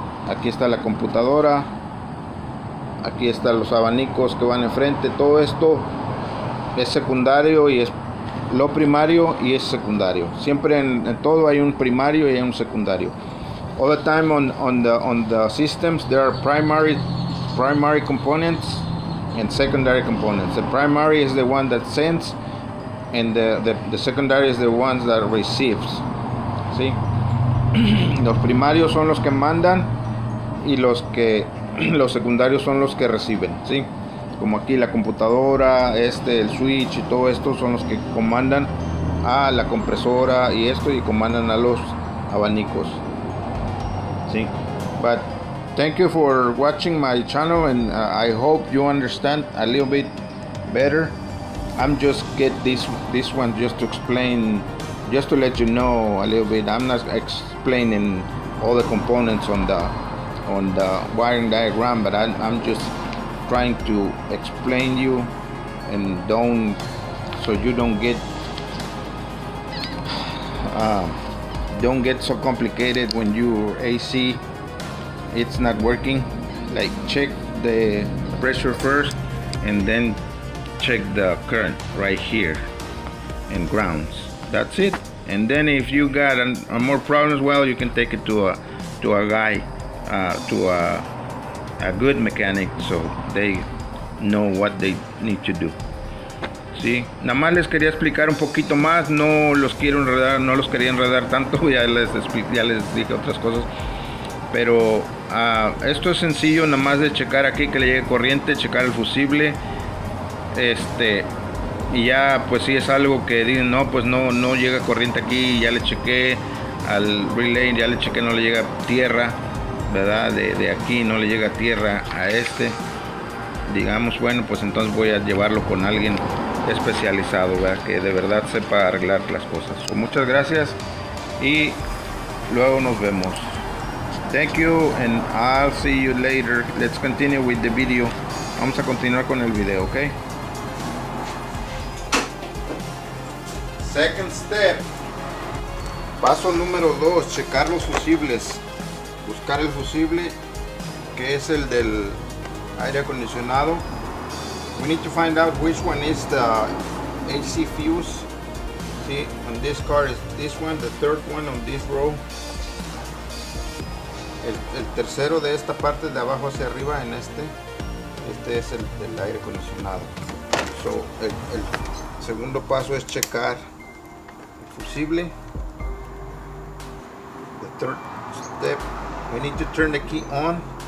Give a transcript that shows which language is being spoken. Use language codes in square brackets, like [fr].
[es] Aquí está la computadora, aquí están los abanicos que van enfrente, todo esto es secundario y es lo primario y es secundario. Siempre en todo hay un primario y hay un secundario. [en] All the time on the systems there are primary components and secondary components. The primary is the one that sends, and the secondary is the one that receives. [es] ¿Sí? Los primarios son los que mandan, y los secundarios son los que reciben, ¿sí? Como aquí la computadora, este, el switch y todo esto son los que comandan a la compresora y esto, y comandan a los abanicos, ¿sí? [en] But thank you for watching my channel, and I hope you understand a little bit better. I'm just get this one just to explain, just to let you know a little bit. I'm not explaining all the components on the wiring diagram, but I'm just trying to explain you, and don't, so you don't get so complicated when your AC it's not working. Like, check the pressure first and then check the current right here and grounds, that's it. And then if you got a more problem as well, you can take it to a guy, to a good mechanic, so they know what they need to do. [es] Sí, nada más les quería explicar un poquito más, no los quiero enredar, no los quería enredar tanto, ya les dije otras cosas, pero esto es sencillo, nada más de checar aquí que le llegue corriente, checar el fusible, este, y ya, pues si es algo que dicen, no, pues no llega corriente aquí, ya le chequé al relay, ya le chequé, no le llega tierra, ¿verdad? De aquí no le llega tierra a este, digamos, bueno, pues entonces voy a llevarlo con alguien especializado, ¿verdad? Que de verdad sepa arreglar las cosas. So, muchas gracias y luego nos vemos. [en] Thank you and I'll see you later. Let's continue with the video. [es] Vamos a continuar con el video, ¿ok? [en] Second step. [es] Paso número 2, checar los fusibles. buscar el fusible que es el del aire acondicionado. [en] We need to find out which one is the AC fuse. See, on this car is this one, the third one on this row. [es] El tercero de esta parte de abajo hacia arriba en este. Este es el del aire acondicionado. So, el segundo paso es checar el fusible. [en] The third step, we need to turn the key on.